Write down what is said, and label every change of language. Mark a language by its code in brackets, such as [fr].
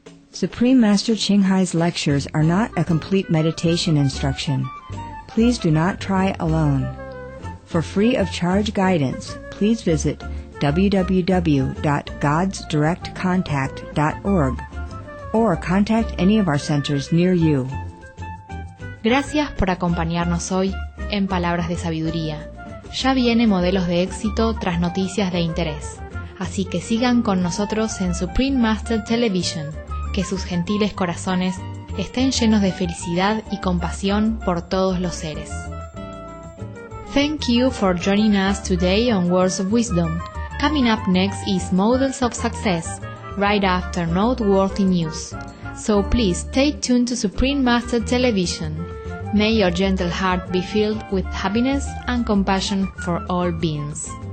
[en] Supreme Master Qinghai's lectures are not a complete meditation instruction. Please do not try alone. For free of charge guidance, please visit www.godsdirectcontact.org or contact any of our centers near you. [es] Gracias por acompañarnos hoy en Palabras de Sabiduría. Ya viene Modelos de Éxito tras Noticias de Interés. Así que sigan con nosotros en Supreme Master Television. Que sus gentiles corazones estén llenos de felicidad y compasión por todos los seres. [en] Thank you for joining us today on Words of Wisdom. Coming up next is Models of Success, right after Noteworthy News. So please stay tuned to Supreme Master Television. May your gentle heart be filled with happiness and compassion for all beings.